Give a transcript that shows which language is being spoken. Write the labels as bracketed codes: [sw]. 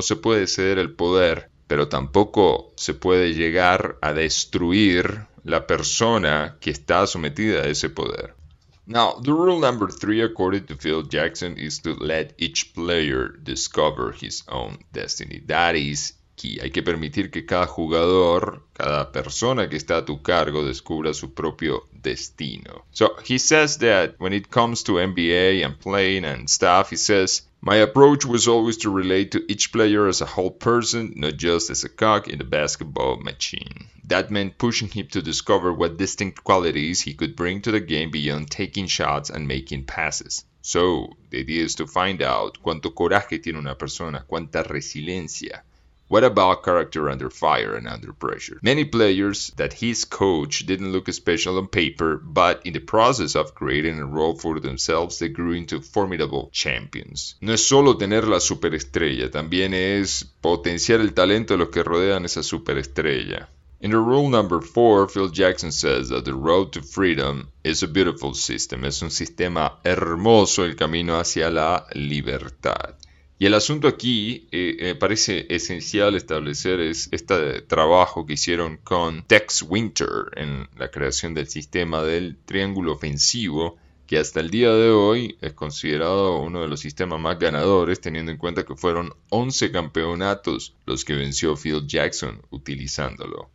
[es] No se puede ceder el poder, pero tampoco se puede llegar a destruir la persona que está sometida a ese poder. [en] Now, the rule number three, according to Phil Jackson, is to let each player discover his own destiny. That is key. [es] Hay que permitir que cada jugador, cada persona que está a tu cargo, descubra su propio destino. [en] So, he says that when it comes to NBA and playing and stuff, he says, my approach was always to relate to each player as a whole person, not just as a cog in a basketball machine. That meant pushing him to discover what distinct qualities he could bring to the game beyond taking shots and making passes. So, the idea is to find out [es] cuánto coraje tiene una persona, cuánta resiliencia. [en] What about character under fire and under pressure? Many players that his coach didn't look special on paper, but in the process of creating a role for themselves, they grew into formidable champions. [es] No es solo tener la superestrella, también es potenciar el talento de los que rodean esa superestrella. [en] In the rule number four, Phil Jackson says that the road to freedom is a beautiful system. [es] Es un sistema hermoso el camino hacia la libertad. Y el asunto aquí, parece esencial establecer es este trabajo que hicieron con Tex Winter en la creación del sistema del triángulo ofensivo, que hasta el día de hoy es considerado uno de los sistemas más ganadores, teniendo en cuenta que fueron 11 campeonatos los que venció Phil Jackson utilizándolo.